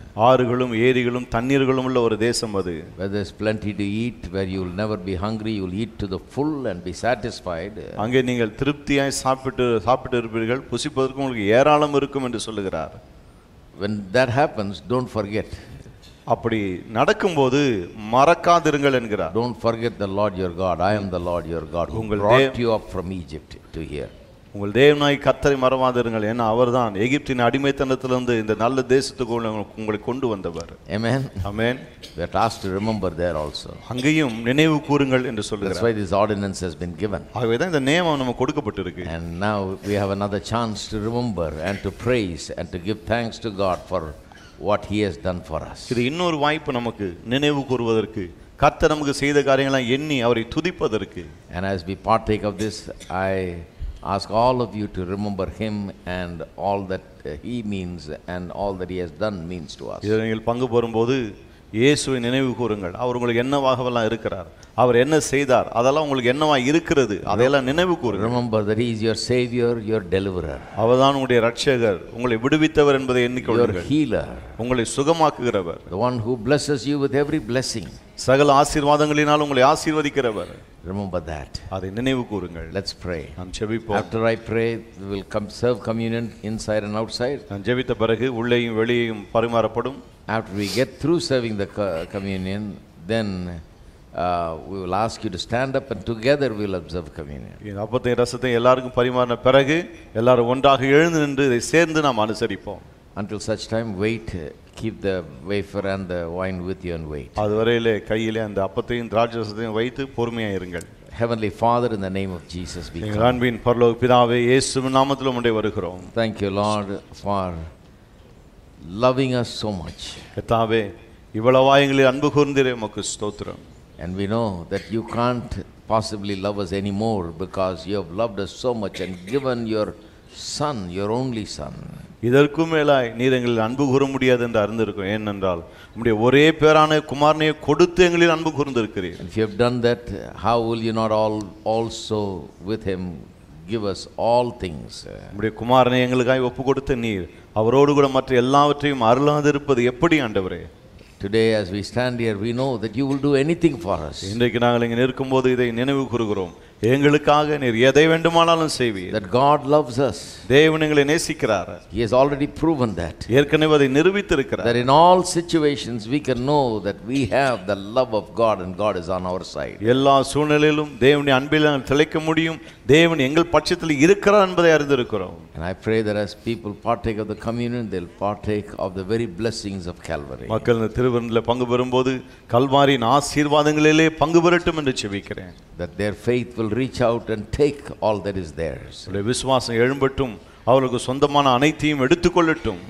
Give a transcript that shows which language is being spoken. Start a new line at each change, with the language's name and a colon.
Tamil: ஆறுகளும் ஏரிகளும் தண்ணீர்களும் உள்ள ஒரு தேசம் அது,
English: where there is plenty to eat, where you will never be hungry, you will eat to the full and be satisfied,
Tamil: அங்கே நீங்கள் திருப்தியாய் சாப்பிட்டு இருப்பீர்கள், புசிப்பதற்கும் உங்களுக்கு ஏராளம் இருக்கும் என்று சொல்லுகிறார்.
English: When that happens don't forget.
Tamil: அப்படி நடக்கும்போது மறக்காதிருங்கள் என்கிறார்.
English: Don't forget the Lord your God. I am the Lord your God who brought you up from Egypt to here.
Tamil: உங்கள் தேவனாய் கர்த்தரை மறவாதிருங்கள், ஏன்னா அவர் தான் எகிப்தின் அடிமைத்தனத்திலிருந்து இந்த நல்ல தேசத்துக்கு உங்களை கொண்டு வந்தவர்.
English: Amen. Amen. We are asked to remember there also.
Tamil: அங்கேயும் நினைவு கூறுங்கள் என்று சொல்கிறார்.
English: That's why this ordinance has been given.
Tamil: ஆகவேதான் இந்த நியமம் நமக்கு கொடுக்கப்பட்டிருக்கு.
English: And now we have another chance to remember and to praise and to give thanks to God for what he has done for us.
Tamil: இது இன்னொரு வாய்ப்பு நமக்கு நினைவு கூறுவதற்கு, கர்த்தர் நமக்கு செய்த காரியங்களை எண்ணி அவரை துதிப்பதற்கு.
English: And as we partake of this I ask all of you to remember him and all that he means and all that he has done means to us.
Tamil: இதில் பங்கு பெறும்போது இயேசுவை நினைவு கூறுங்கள். அவர் உங்களுக்கு என்னவாகவெல்லாம் இருக்கிறார், அவர் என்ன செய்தார், அதெல்லாம் உங்களுக்கு என்னவா இருக்கிறது அதையெல்லாம் நினைவு கூறு.
English: Remember that he is your savior, your deliverer.
Tamil: அவர் தான் உங்களுடைய இரட்சகர், உங்களை விடுவித்தவர் என்பதை எண்ணிக்கொள்ளுங்கள்.
English: Your healer.
Tamil: உங்களை சுகமாக்குகிறவர்.
English: The one who blesses you with every blessing.
Tamil: சகல ஆசீர்வாதங்களினால் உங்களை ஆசீர்வதிக்கிறவர்.
English: Remember that.
Tamil: அதை நினைவு கூறுங்கள்.
English: Let's pray.
Tamil: நாம் ஜெபிப்போம்.
English: After I pray we will come serve communion inside and outside.
Tamil: நாம் ஜெபித்த பிறகு உள்ளேயும் வெளியேயும் பரிமாறப்படும்.
English: After we get through serving the communion then we will ask you to stand up and together we will observe communion.
Tamil: இந்த அப்பத்தை ரசத்தை எல்லாருக்கும் பரிமாறின பிறகு எல்லாரும் ஒன்றாக எழுந்து நின்று இதை சேர்ந்து நாம் அனுசரிப்போம்.
English: Until such time wait, keep the wafer and the wine with you and wait.
Tamil: அதுவரையிலே கையிலே அந்த அப்பத்தையும் திராட்சரசத்தையும் வைத்து பொறுமையாக இருங்கள்.
English: Heavenly Father in the name of Jesus we come.
Tamil: அன்பின் பரலோக பிதாவே இயேசுவின் நாமத்திலே உம்மை வருகிறோம்.
English: Thank you Lord for loving us so much.
Tamil: கர்த்தாவே இவ்வளவாயங்களில் அன்பு கூர்ந்திரே உமக்கு ஸ்தோத்திரம்.
English: And we know that you can't possibly love us anymore because you have loved us so much and given your son, your only son.
Tamil: இதற்கு மேலாய் நீர் எங்களில் அன்பு கூற முடியாது என்று அறிந்திருக்கும். ஏனென்றால் உம்முடைய ஒரே பேரான குமாரனையே கொடுத்து எங்களில் அன்பு கூர்ந்திருக்கிறீர்கள்.
English: If you have done that, how will you not also with him give us all things?
Tamil: உம்முடைய குமாரனை எங்களுக்காய் ஒப்பு கொடுத்த நீர் அவரோடு கூட மற்ற எல்லாவற்றையும் அருளாதிருப்பது எப்படி ஆண்டவரே?
English: Today as we stand here we know that you will do anything for us.
Tamil: இன்றைக்கு நாங்கள் இங்கே நிற்கும்போது இதை நினைவு கூறுகிறோம், எங்களுக்காக நீர் எதை வேண்டுமானாலும் செய்வீர்.
English: That God loves us.
Tamil: தேவன் எங்களை நேசிக்கிறார்.
English: He has already proven that.
Tamil: ஏற்கனவே அதை நிரூபித்து இருக்கிறார்.
English: That in all situations we can know that we have the love of God and God is on our side.
Tamil: எல்லா சூழ்நிலையிலும் தேவனுடைய அன்பில் நாம் திளைக்க முடியும், தேவன் எங்கள் பட்சத்தில் இருக்கிறார் என்பதை அறிந்திருக்கிறோம்.
English: And I pray that as people partake of the communion, they'll partake of the very blessings of Calvary.
Tamil: மக்கள் இந்த திருவருந்தில் பங்கு பெறும்போது கல்வாரியின் ஆசீர்வாதங்களிலே பங்கு பெறட்டும் என்று ஜெபிக்கிறேன்.
English: That their faith will reach out and take all that is theirs.
Tamil: அவர்கள் விசுவாசம் எழும்பட்டும் அவர்களுக்கு சொந்தமான அனைத்தையும் எடுத்துக்கொள்ளட்டும்.